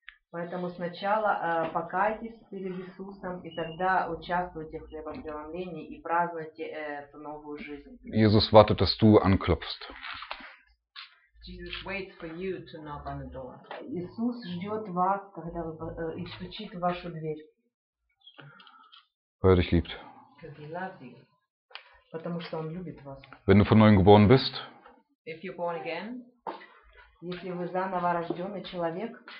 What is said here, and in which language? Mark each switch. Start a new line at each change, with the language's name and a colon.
Russian: Поэтому сначала покайтесь перед Иисусом и тогда участвуйте в хлебопреломлении и празднуйте эту новую жизнь.
German: Jesus wartet, dass du anklopfst.
English: Jesus waits for you to knock on the door.
Russian: Иисус ждет вас, когда вы стучит в вашу дверь.
German: Weil er dich liebt.
English: Because he loves you.
Russian: Потому что он любит вас.
German: Wenn du von neuem geboren bist.
English: If you're born again.
Russian: Если вы заново рожденный человек.